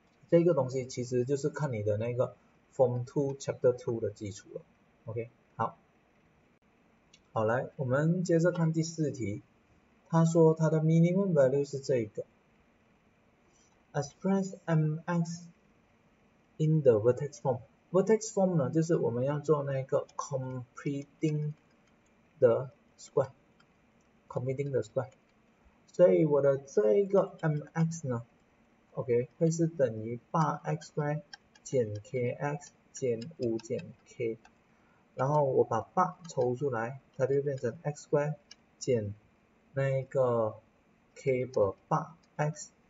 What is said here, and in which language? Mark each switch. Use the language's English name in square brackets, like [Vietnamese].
[Chinese] 这个东西其实就是看你的那个 Form 2 Chapter 2的基础了， OK， 好，好，来我们接着看第四题，他说他的 minimum value 是这个 [English] Express mx in the vertex form. [Chinese] Vertex form 呢，就是我们要做那个 completing the square. [English] Completing the square. [Chinese] 所以我的这一个 mx 呢 ，OK， 会是等于 8x square 减 kx 减5减 k， 然后我把8抽出来，它就变成 x square 减那个 k per 8x。